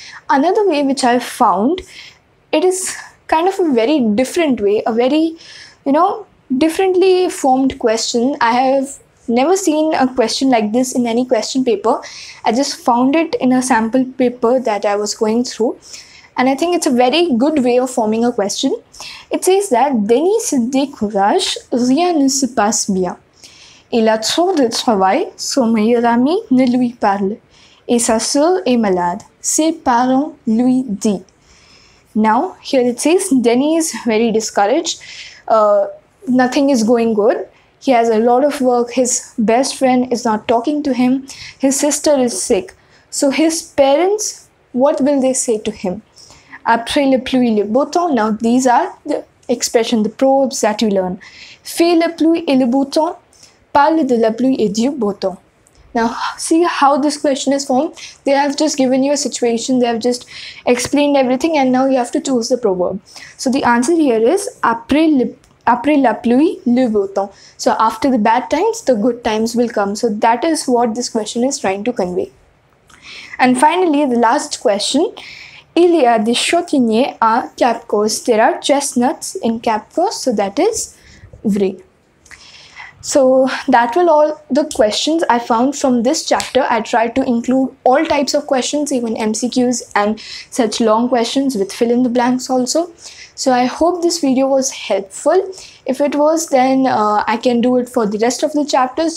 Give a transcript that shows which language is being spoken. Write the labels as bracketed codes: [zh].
[en] Another way which I found, it is kind of a very different way, a very, you know, differently formed question. I have never seen a question like this in any question paper. I just found it in a sample paper that I was going through, and I think it's a very good way of forming a question. It says that [fr] Denis se décourage, rien ne se passe bien. Il a trop de travail, son meilleur ami ne lui parle, et sa soeur est malade. Ses parents lui disent. [en] Now, here it says Denis is very discouraged. Nothing is going good. He has a lot of work. His best friend is not talking to him. His sister is sick. So his parents, what will they say to him? [fr] Après la pluie, le beau temps. [en] Now these are the expression, the proverbs that you learn. [fr] Fais la pluie et le beau temps. Parle de la pluie et du beau temps. [en] Now see how this question is formed. They have just given you a situation. They have just explained everything, and now you have to choose the proverb. So the answer here is [fr] après la pluie, le beau temps. [en] So after the bad times, the good times will come. So that is what this question is trying to convey. And finally, the last question. [fr] Il y a des châtaigniers à Cap Coast. [en] There are chestnuts in Cap Coast. So that is vrai. So that will all the questions I found from this chapter. I tried to include all types of questions, even MCQs and such long questions with fill in the blanks also. So I hope this video was helpful. If it was, then I can do it for the rest of the chapters.